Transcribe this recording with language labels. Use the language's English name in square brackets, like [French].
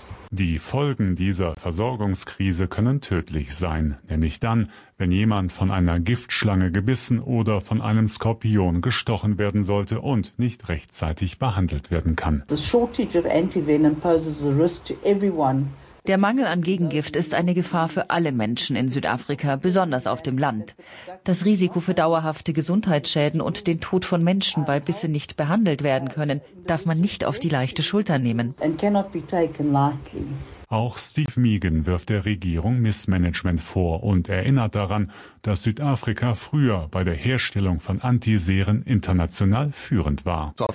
[German] Die Folgen dieser Versorgungskrise können tödlich sein, nämlich dann, wenn jemand von einer Giftschlange gebissen oder von einem Skorpion gestochen werden sollte und nicht rechtzeitig behandelt werden kann. [English] The shortage of antivenom poses a risk to everyone. [German] Der Mangel an Gegengift ist eine Gefahr für alle Menschen in Südafrika, besonders auf dem Land. Das Risiko für dauerhafte Gesundheitsschäden und den Tod von Menschen, weil Bisse nicht behandelt werden können, darf man nicht auf die leichte Schulter nehmen. Auch Steve Meegan wirft der Regierung Missmanagement vor und erinnert daran, dass Südafrika früher bei der Herstellung von Antiseren international führend war.